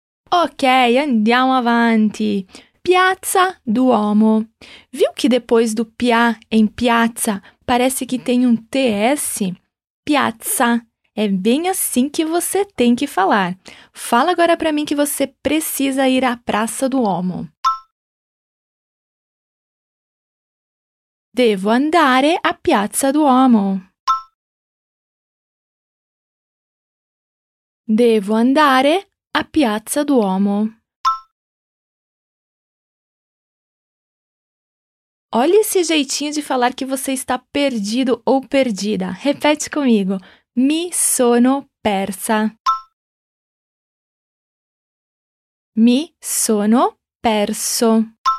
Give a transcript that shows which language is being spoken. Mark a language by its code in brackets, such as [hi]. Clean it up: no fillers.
[it] Ok, andiamo avanti. Piazza Duomo. [pt] Viu que depois do pia em piazza parece que tem um TS? Piazza. É bem assim que você tem que falar. Fala agora para mim que você precisa ir à Praça Duomo. [it] Devo andare a Piazza Duomo. Devo andare a Piazza Duomo. [pt] Olha esse jeitinho de falar que você está perdido ou perdida. Repete comigo. [it] Mi sono persa. Mi sono perso.